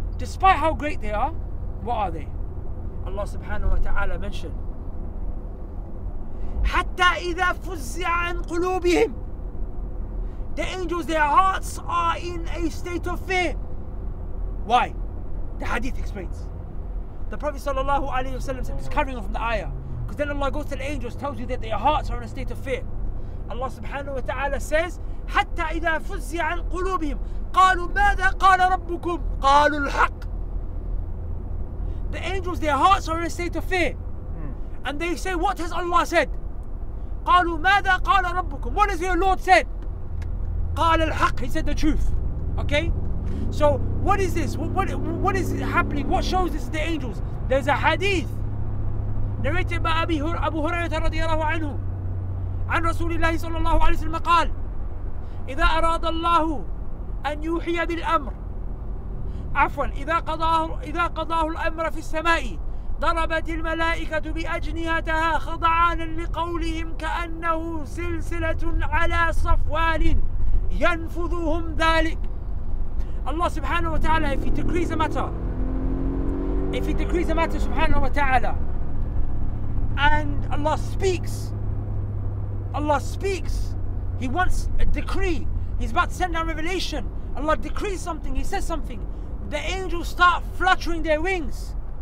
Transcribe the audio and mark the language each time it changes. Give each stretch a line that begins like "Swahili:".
English: Despite how great they are, what are they? Allah subhanahu wa ta'ala mentioned,
Arabic: حَتَّى إِذَا فُزِّعَ عَنْ قُلُوبِهِمْ.
English: The angels, their hearts are in a state of fear. Why? The hadith explains. The Prophet sallallahu alayhi wa sallam said, it's covering from the ayah. Because then Allah goes to the angels, tells you that their hearts are in a state of fear. Allah subhanahu wa ta'ala says,
Arabic: حتى إذا فزع عن قلوبهم قالوا ماذا قال ربكم قالوا الحق.
English: The angels, their hearts are in a state of fear. And they say, what has Allah said?
Arabic: قالوا ماذا قال ربكم.
English: What has your Lord said?
Arabic: قال الحق.
English: He said the truth. Okay? So what is this? What is happening? What shows this to the angels? There's a hadith narrated by Abu Hurayrah radiallahu anhu.
Arabic: عن رسول الله صلى الله عليه وسلم قال إذا أراد الله أن يوحي بالأمر عفوا إذا قضاه الأمر في السماء ضربت الملائكة بأجنهتها خضعانا لقولهم كأنه سلسلة على صفوان ينفذهم ذلك.
English: الله سبحانه وتعالى, if he decrees a matter سبحانه وتعالى, and Allah speaks, He wants a decree, He's about to send down revelation, Allah decrees something, He says something, the angels start fluttering their wings.